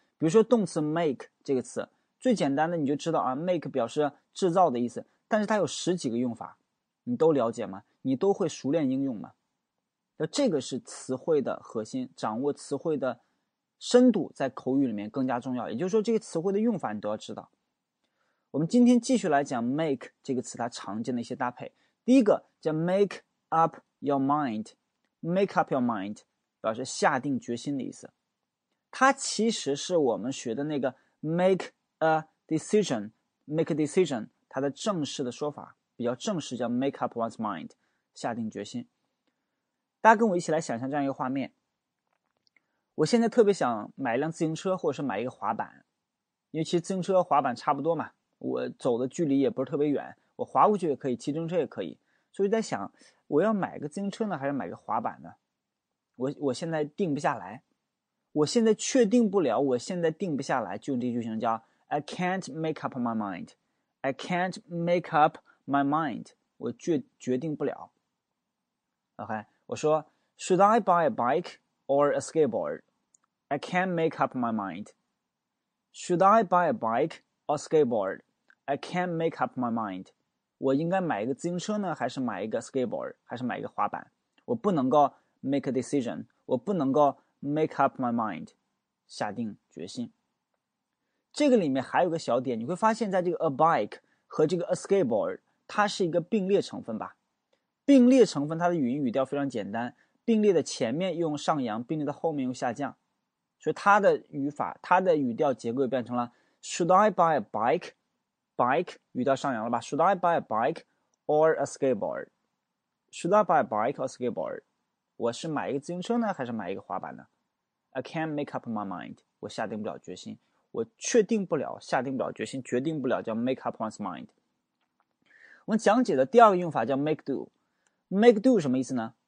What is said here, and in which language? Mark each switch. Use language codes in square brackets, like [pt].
[zh] 比如说动词 make 这个词，最简单的你就知道啊，make 表示制造的意思，但是它有十几个用法，你都了解吗？你都会熟练应用吗？那这个是词汇的核心，掌握词汇的深度在口语里面更加重要。也就是说，这个词汇的用法你都要知道。我们今天继续来讲 make 这个词它常见的一些搭配。第一个叫 make up your mind，make up your mind 表示下定决心的意思。它其实是我们学的那个 make a decision，make a decision 它的正式的说法，比较正式叫 make up one's mind， 下定决心。大家跟我一起来想象这样一个画面：我现在特别想买一辆自行车，或者是买一个滑板，因为其实自行车和滑板差不多嘛，我走的距离也不是特别远，我滑过去也可以，骑自行车也可以。所以在想，我要买个自行车呢，还是买个滑板呢？我现在定不下来。我现在确定不了，我现在定不下来，就用这句型叫 [en] "I can't make up my mind." I can't make up my mind. [zh] 我决定不了。 [en] OK， [zh] 我说 [en] "Should I buy a bike or a skateboard?" I can't make up my mind. Should I buy a bike or skateboard? I can't make up my mind. [zh] 我应该买一个自行车呢，还是买一个 skateboard， 还是买一个滑板？我不能够 [en] make a decision. [zh] 我不能够。 [en] Make up my mind， [zh] 下定决心。这个里面还有个小点，你会发现在这个 a bike 和这个 a skateboard， 它是一个并列成分吧？并列成分它的语音语调非常简单，并列的前面用上扬，并列的后面用下降，所以它的语法、它的语调结构变成了 [en] Should I buy a bike？ Bike [zh] 语调上扬了吧 [en] ？Should I buy a bike or a skateboard？ Should I buy a bike or a skateboard？ [zh] 我是买一个自行车呢，还是买一个滑板呢 ？ [en] I can't make up my mind， [zh] 我下定不了决心，我确定不了，下定不了决心，决定不了叫 make up one's mind。我们讲解的第二个用法叫 make do， make do 什么意思呢？